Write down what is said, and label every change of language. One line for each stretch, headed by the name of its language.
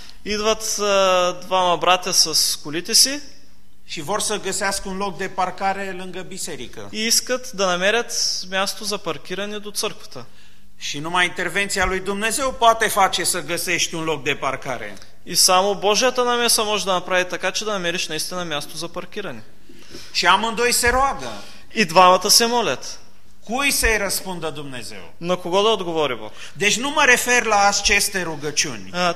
Bulgarian: Идват двама братя с колите си.
Romanian: Și vor să găsească un loc de parcare lângă biserică.
Bulgarian: И искат да намерят място за паркиране до църквата.
Romanian: Și numai intervenția lui Dumnezeu poate face să găsești un loc de parcare.
Bulgarian: И само Божията намеса може да направи така, че да намериш наистина място за паркиране.
Romanian: Și amândoi se roagă.
Bulgarian: И двамата се молят.
Romanian: Cui să-i răspundă Dumnezeu?
Bulgarian: На кого да отговори Бог?
Romanian: Deci nu mă refer la aceste rugăciuni.